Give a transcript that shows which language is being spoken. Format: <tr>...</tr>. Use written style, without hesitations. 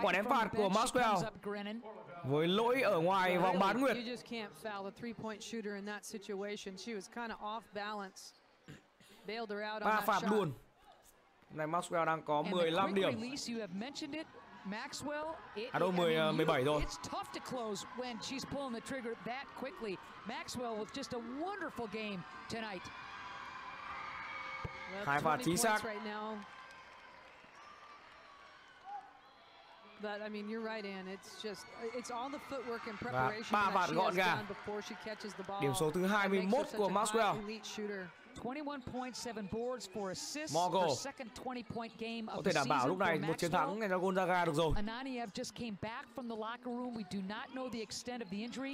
<vi>quả ném phạt của Maxwell. Với lỗi ở ngoài vòng bán nguyệt.</vi> <en>You just can't foul the 3-point shooter in that situation. She was kind of off balance. Bailed her out on that shot.</en> <vi>3 phạt luôn. Này Maxwell đang có 15 điểm. Maxwell, à đâu 17 rồi.</vi> <en>It's tough to close when she's pulling the trigger that quickly. Maxwell with just a wonderful game tonight.</en> <vi>Hai phạt chính xác.</vi> <en>But I mean you're right, Ann. It's just it's all the footwork and preparation before she catches the ball.</en> <vi>Điểm số thứ 21 của Maxwell.</vi> <en>21.7 boards for assists. Mogo. Her second 20-point game of the season.</en> <vi>Có thể đảm bảo lúc này một chiến thắng này cho Gonzaga được rồi.</vi> <en>Ananiev just came back from the locker room. We do not know the extent of the injury.</en>